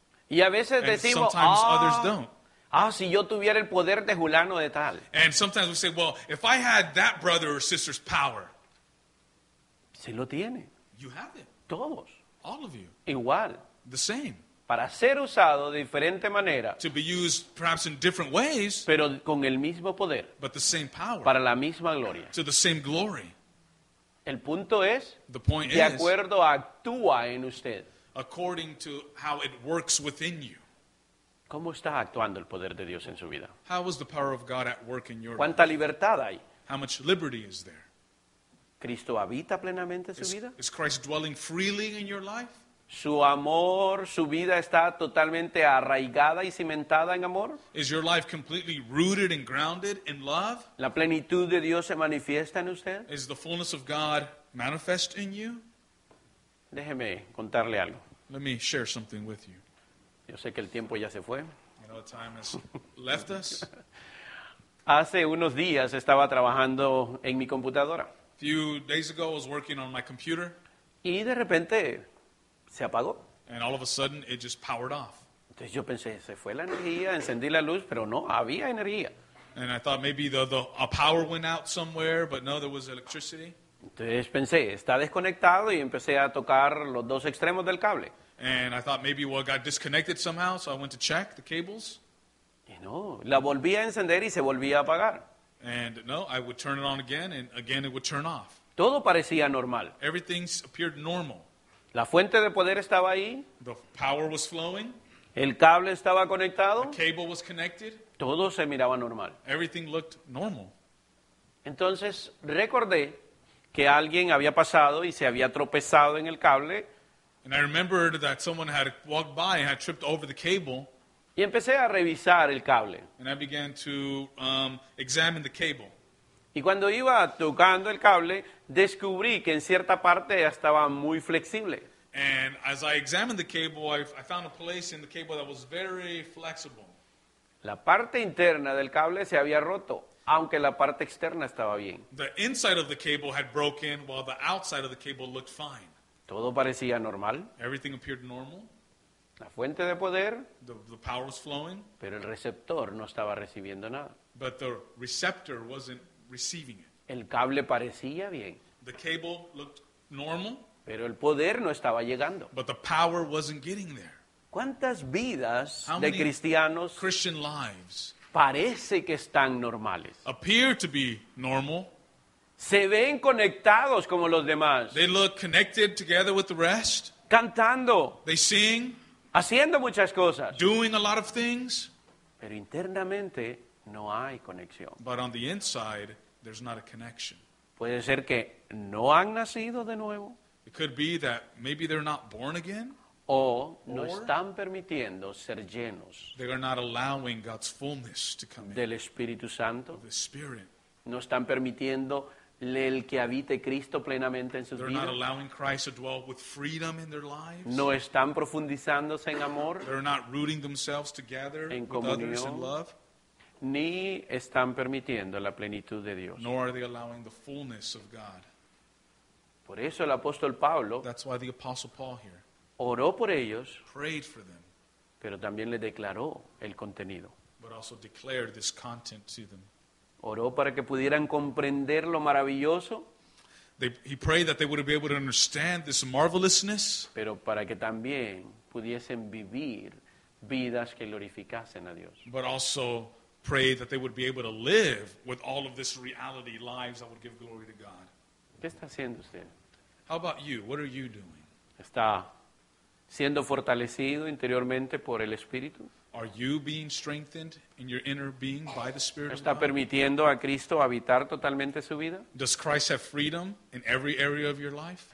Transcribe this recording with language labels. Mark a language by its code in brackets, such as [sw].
[es] Y a veces decimos, [en] and sometimes others don't. [es] Ah, si yo tuviera el poder de Julano de tal. [en] And sometimes we say, well, if I had that brother or sister's power. [es] Se lo tiene. [en] You have it. [es] Todos. [en] All of you. [es] Igual. [en] The same. [es] Para ser usado de diferente manera. [en] To be used perhaps in different ways. [es] Pero con el mismo poder. [en] But the same power. [es] Para la misma gloria. [en] To the same glory. [es] El punto es. [en] The point [es] de [en] is. [es] De acuerdo actúa en usted. [en] According to how it works within you. [es] ¿Cómo está actuando el poder de Dios en su vida? [en] How is the power of God at work in your life? [es] ¿Cuánta libertad hay? [en] How much liberty is there? [es] ¿Cristo habita plenamente su vida? [en] Is Christ dwelling freely in your life? [es] ¿Su amor, su vida está totalmente arraigada y cimentada en amor? [en] Is your life completely rooted and grounded in love? [es] ¿La plenitud de Dios se manifiesta en usted? [en] Is the fullness of God manifest in you? [es] Déjeme contarle algo. [en] Let me share something with you. [es] Yo sé que el tiempo ya se fue. [en] You know, time has left us. [es] Hace unos días estaba trabajando en mi computadora. [en] A few days ago I was working on my computer. [es] Y de repente se apagó. [en] And all of a sudden it just powered off. [es] Entonces yo pensé, se fue la energía, encendí la luz, pero no, había energía. [en] And I thought maybe a power went out somewhere, but no, there was electricity. [es] Entonces pensé, está desconectado y empecé a tocar los dos extremos del cable. [en] And I thought maybe well, it got disconnected somehow, so I went to check the cables. [es] No, la volví a encender y se volvía a apagar. [en] And no, I would turn it on again, and again it would turn off. [es] Todo parecía normal. [en] Everything appeared normal. [es] La fuente de poder estaba ahí. [en] The power was flowing. [es] El cable estaba conectado. [en] The cable was connected. [es] Todo se miraba normal. [en] Everything looked normal. [es] Entonces recordé que alguien había pasado y se había tropezado en el cable. [en] And I remembered that someone had walked by and had tripped over the cable. [es] Y empecé a revisar el cable. [en] And I began to examine the cable. [es] Y cuando iba tocando el cable, descubrí que en cierta parte ya estaba muy flexible. [en] And as I examined the cable, I found a place in the cable that was very flexible. [es] La parte interna del cable se había roto, aunque la parte externa estaba bien. [en] The inside of the cable had broken, while the outside of the cable looked fine. [es] Todo parecía normal. [en] Everything appeared normal. [es] La fuente de poder. [en] The power was flowing. [es] Pero el receptor no estaba recibiendo nada. [en] But the receptor wasn't receiving it. [es] El cable parecía bien. [en] The cable looked normal. [es] Pero el poder no estaba llegando. [en] But the power wasn't getting there. [es] ¿Cuántas vidas de cristianos [en] Christian lives [es] parece que están normales? [en] Appear to be normal. [es] Se ven conectados como los demás. [en] They look connected together with the rest. [es] Cantando. [en] They sing. [es] Haciendo muchas cosas. [en] Doing a lot of things. [es] Pero internamente no hay conexión. [en] But on the inside, there's not a connection. [es] Puede ser que no han nacido de nuevo. [en] It could be that maybe they're not born again. [es] O no están permitiendo ser llenos. [en] They are not allowing God's fullness to come in. [es] Del Espíritu Santo. [en] Of the Spirit. [es] No están permitiendo el que habite Cristo plenamente en sus vidas. [en] They're not allowing Christ to dwell with freedom in their lives. [es] No están profundizándose en amor. [en] They're not rooting themselves together [es] en comunión, [en] with others in love. [es] Ni están permitiendo la plenitud de Dios. [en] Nor are they allowing the fullness of God. [es] Por eso el apóstol Pablo, [en] that's why the apostle Paul here, [es] oró por ellos, [en] prayed for them, [es] pero también le declaró el contenido. [en] But also declared this content to them. [es] Oró para que pudieran comprender lo maravilloso. [en] He prayed that they would be able to understand this marvelousness. [es] Pero para que también pudiesen vivir vidas que glorificasen a Dios. [en] But also prayed that they would be able to live with all of this reality, lives that would give glory to God. [es] ¿Qué está haciendo usted? [en] How about you? What are you doing? [es] ¿Está siendo fortalecido interiormente por el Espíritu? [en] Are you being strengthened in your inner being by the Spirit of God? [es] ¿Está permitiendo a Cristo habitar totalmente su vida? [en] Does Christ have freedom in every area of your life?